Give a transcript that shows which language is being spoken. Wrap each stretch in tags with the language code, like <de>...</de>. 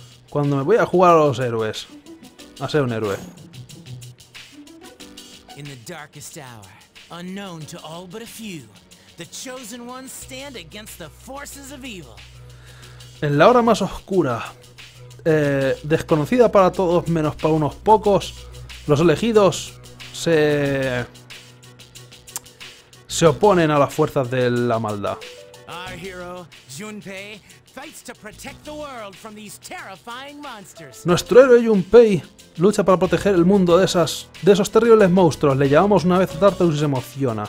<es>Cuando me voy a jugar a los héroes. A ser un héroe.</es> <en>In the darkest hour, unknown to all but a few, the chosen ones stand against the forces of evil.</en> <es>En la hora más oscura, desconocida para todos menos para unos pocos, los elegidos se oponen a las fuerzas de la maldad.</es> <en>Our hero, Junpei, fights to protect the world from these terrifying monsters.</en> <es>Nuestro héroe Junpei lucha para proteger el mundo de esos terribles monstruos. Le llamamos una vez a Tartarus y se emociona.</es>